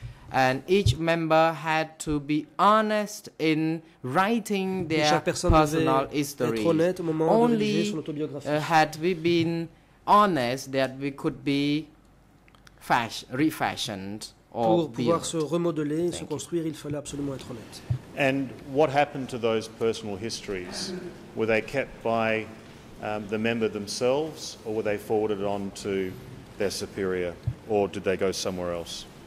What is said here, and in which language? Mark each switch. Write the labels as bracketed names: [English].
[English] And each member had to be honest in writing their personal history. Only had we been honest that we could be refashioned or [French] pour [English] built. [French] Pouvoir se remodeler, se construire, il fallait absolument être honnête. [English] And what happened to those personal histories? Were they kept by the member themselves, or were they forwarded on to their superior, or did they go somewhere else?